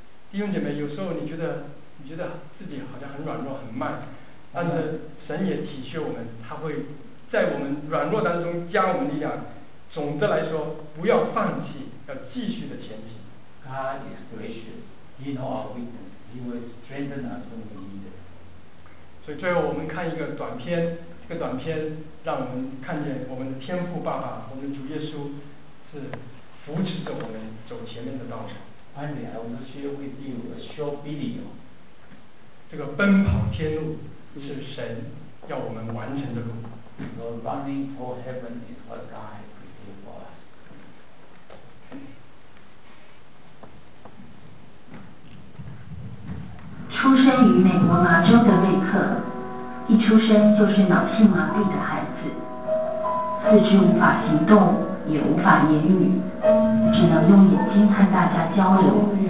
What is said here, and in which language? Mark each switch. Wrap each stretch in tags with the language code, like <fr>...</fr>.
<zh>弟兄姐妹，有时候你觉得自己好像很软弱很慢，但是神也体恤我们，他会在我们软弱当中加我们力量。总的来说，不要放弃，要继续的前行。</zh> <en>God is gracious. He knows our weakness. He will strengthen us when we need it.</en> <zh>所以最后我们看一个短片，这个短片让我们看见我们的天父爸爸，我们的主耶稣是。扶持着我们走前面的道路。</zh> <en>Finally, I will share with you a short video.</en> <zh>这个奔跑天路是神要我们完成的路。</zh> <en>The running toward heaven is what God has prepared for us.</en> <zh>出生于美国麻州的瑞克，一出生就是脑性麻痹的孩子，四肢无法行动，也无法言语，只能用眼睛和大家交流。</zh>